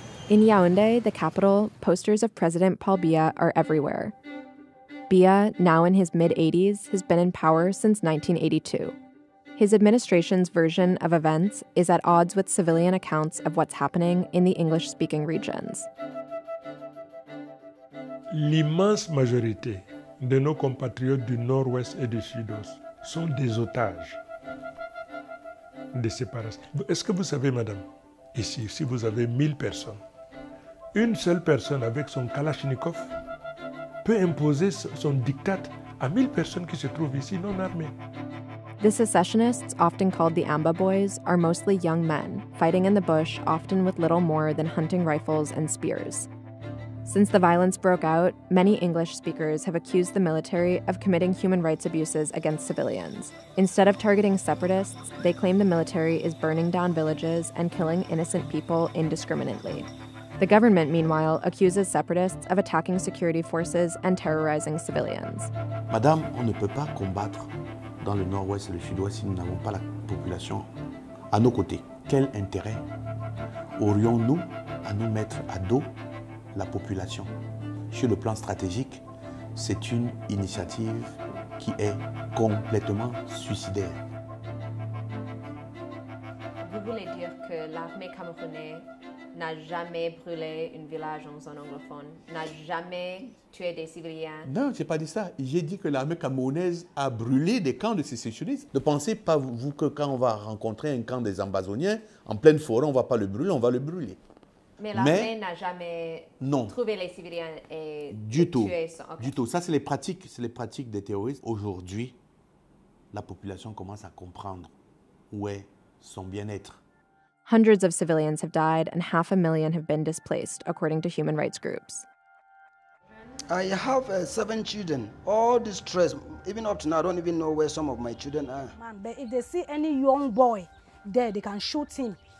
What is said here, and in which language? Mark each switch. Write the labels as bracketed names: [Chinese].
[English] In Yaoundé, the capital, posters of President Paul Biya are everywhere. Biya, now in his mid-80s, has been in power since 1982. His administration's version of events is at odds with civilian accounts of what's happening in the English-speaking regions. [French] L'immense majorité de nos compatriotes du Nord-Ouest et du Sud-Ouest sont des otages de séparation. Est-ce que vous savez, madame, ici, si vous avez 1000 personnes, une seule personne avec son Kalachnikov peut imposer son diktat à 1000 personnes qui se trouvent ici non armées. [English] The secessionists, often called the Amba Boys, are mostly young men, fighting in the bush, often with little more than hunting rifles and spears. Since the violence broke out, many English speakers have accused the military of committing human rights abuses against civilians. Instead of targeting separatists, they claim the military is burning down villages and killing innocent people indiscriminately. The government, meanwhile, accuses separatists of attacking security forces and terrorizing civilians. [French] Madame, on ne peut pas combattre dans le nord-ouest et le sud-ouest si nous n'avons pas la population à nos côtés. Quel intérêt aurions-nous à nous mettre à dos la population? Sur le plan stratégique, c'est une initiative qui est complètement suicidaire. Vous voulez dire que l'armée camerounaise n'a jamais brûlé un village en zone anglophone, n'a jamais tué des civils? Non, j'ai pas dit ça. J'ai dit que l'armée camerounaise a brûlé des camps de sécessionnistes. Ne pensez pas, vous, que quand on va rencontrer un camp des Ambazoniens, en pleine forêt, on va pas le brûler, on va le brûler. Mais l'armée n'a jamais trouvé les civils et du tout. Du tout. Ça, c'est les pratiques. C'est les pratiques des terroristes. Aujourd'hui, la population commence à comprendre où est son bien-être. [English] Hundreds of civilians have died and 500,000 have been displaced, according to human rights groups. I have 7 children, all distressed. Even up to now, I don't even know where some of my children are. Man, but if they see any young boy there, they can shoot him.